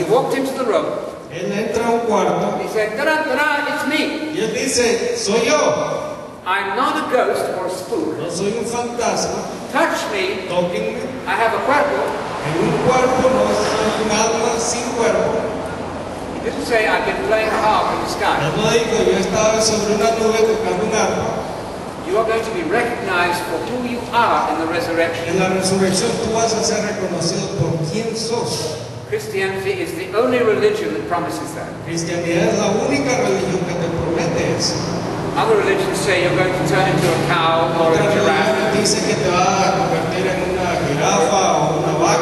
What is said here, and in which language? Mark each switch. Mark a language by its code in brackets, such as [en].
[en] He walked into the room. [es] Él entra a un cuarto. [en] He said, "Da da da, it's me." [es] Y él dice, soy yo. [en] I'm not a ghost or a spook. [es] No soy un fantasma. [en] Touch me. [es] Tóquenme. [en] I have a cuerpo. [es] En un cuerpo, no soy un alma sin cuerpo. [en] Didn't say I've been playing a harp in the sky. [es] No digo, yo [en] you are going to be recognized for who you are in the resurrection. [es] En la resurrección, tú vas a ser reconocido por quién sos. [en] Christianity is the only religion that promises that. [es] Cristianidad es la única religión que te promete eso. [en] Other religions say you're going to turn into a cow or a giraffe. [es] Dice que te vas a convertir en una jirafa o una vaca.